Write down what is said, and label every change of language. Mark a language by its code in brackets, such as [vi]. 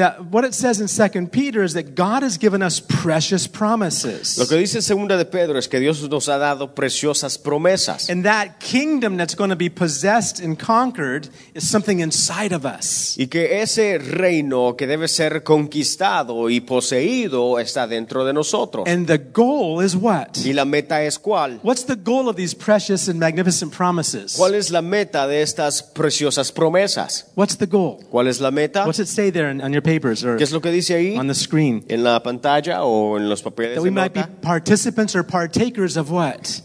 [en] What it says in 2 Peter is that God has given us precious promises. [es] Lo que dice Segunda de Pedro es que Dios nos ha dado preciosas promesas. [en] And that kingdom that's going to be possessed and conquered is something inside of us. [es] Y que ese reino que debe ser conquistado y poseído está dentro de nosotros. [en] And the goal is what? [es] Y la meta es cuál? [en] What's the goal of these precious and magnificent promises? [es] ¿Cuál es la meta de estas preciosas promesas? [en] What's the goal? [es] ¿Cuál es la meta? [en] What's it say there in your papers or [es] ¿qué es lo que dice ahí? [en] On the screen [es] en la pantalla o en los papeles [en] that we might be participants or partakers of what?